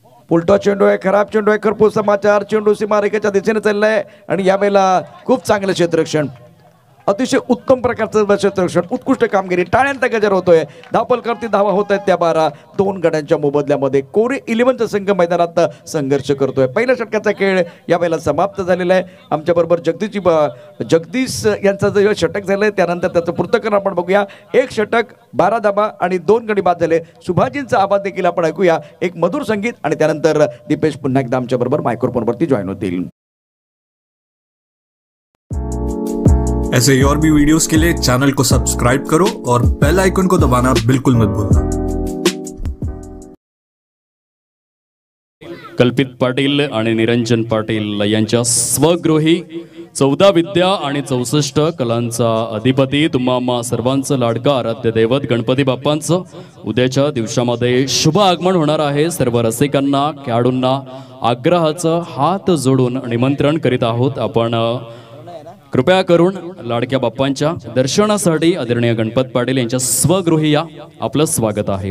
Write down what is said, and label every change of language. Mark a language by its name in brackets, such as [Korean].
[Marathi] उलटा चेंडू आहे, खराब चेंडू आहे, खरपूर समाचार, चेंडू सीमारेखेच्या दिशेने चाललाय आणि यावेळेला खूप चांगलं क्षेत्ररक्षण, अतिशय उत्तम प्रकारचं क्षेत्ररक्षण, उत्कृष्ट कामगिरी, टाळ्यांचा गजर होतोय, धापल करती धावा होत आहेत त्या 12-2 गड्यांच्या मोबदल्यामध्ये, कोरी इलेव्हनचा संघ मैदानात संघर्ष करतोय, पहिल्या षटकाचा खेळ यावेळेला समाप्त झालेला आहे, आमच्या बरोबर जगदीश यांचा जो षटक झालाय त्यानंतर त्याचं पृथक्करण आपण बघूया, 1 षटक 12 धावा आणि 2 गडी बाद झाले, सुभाजींचा आवाज देखील आपण ऐकूया, एक मधुर संगीत आणि त्यानंतर दीपेश पुन्हा एकदा आमच्या बरोबर मायक्रोफोनवरती जॉईन होतील। [Hindi] ऐसे ही और भी वीडियोस के लिए चैनल को सब्सक्राइब करो और बेल आइकन को दबाना बिल्कुल मत भूलना। [Marathi] कल्पित पाटील आणि निरंजन पाटील यांच्या स्वगृही 14 विद्या आणि 64 कलांचा अधिपती तुम्हाला सर्वांचं लाडकं आराध्य दैवत गणपती बाप्पांचं उद्याच्या दिवसामध्ये शुभ आगमन होणार आहे, सर्व रसिकांना खेळाडूंना आग्रहाचं हात जोडून निमंत्रण करीत आहोत, आपण कृपया करून लाडक्या बाप्पांच्या दर्शनासाठी आदरणीय गणपत पाटील यांच्या स्वगृही या, आपलं स्वागत आहे।